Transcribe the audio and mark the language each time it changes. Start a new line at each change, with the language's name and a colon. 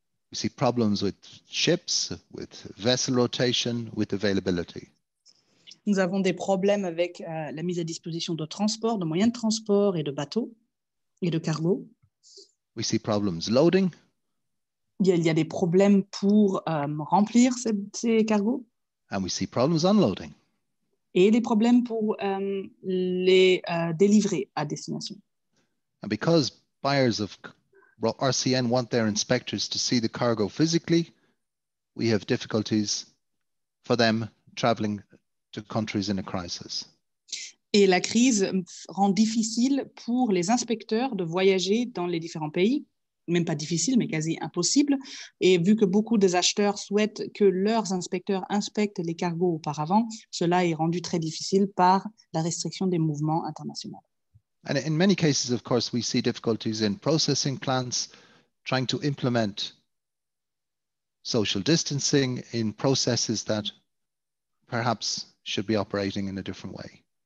English: We see problems with ships, with vessel rotation, with availability.
French: Nous avons des problèmes avec la mise à disposition de transport, de moyens de transport et de bateaux et de cargo.
English: We see problems loading.
French: Il y a des problèmes pour remplir ces cargos.
English: And we see problems unloading.
French: Et des problèmes pour les délivrer à destination.
English: And because buyers of RCN want their inspectors to see the cargo physically, we have difficulties for them traveling to countries in a crisis.
French: Et la crise rend difficile pour les inspecteurs de voyager dans les différents pays. Même pas difficile, mais quasi impossible. Et vu que beaucoup des acheteurs souhaitent que leurs inspecteurs inspectent les cargos auparavant, cela est rendu très difficile par la restriction des mouvements internationaux.
English: And in many cases, of course, we see difficulties in processing plants, trying to implement social distancing in processes that perhaps should be operating in a different way.